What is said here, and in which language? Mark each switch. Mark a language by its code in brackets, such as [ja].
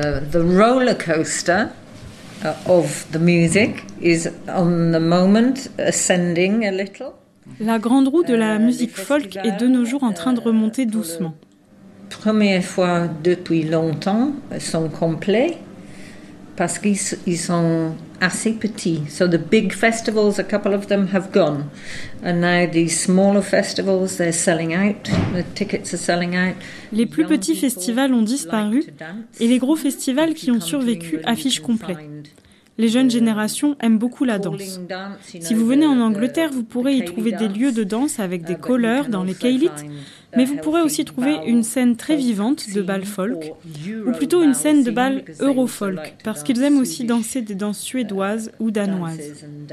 [en] The roller coaster of the music is on the moment ascending a little. [fr] La grande roue de la musique folk est de nos jours en train de remonter doucement. Première fois depuis longtemps, ils sont complets parce qu'ils sont assez petits. [en] So the big festivals, a couple of them have gone. And now these smaller festivals, they're selling out. The tickets are selling out. [fr] Les plus petits festivals ont disparu et les gros festivals qui ont survécu affichent complet. Les jeunes générations aiment beaucoup la danse. Si vous venez en Angleterre, vous pourrez y trouver des lieux de danse avec des colleurs dans les Kaylits, mais vous pourrez aussi trouver une scène très vivante de bal folk, ou plutôt une scène de bal eurofolk, parce qu'ils aiment aussi danser des danses suédoises ou danoises.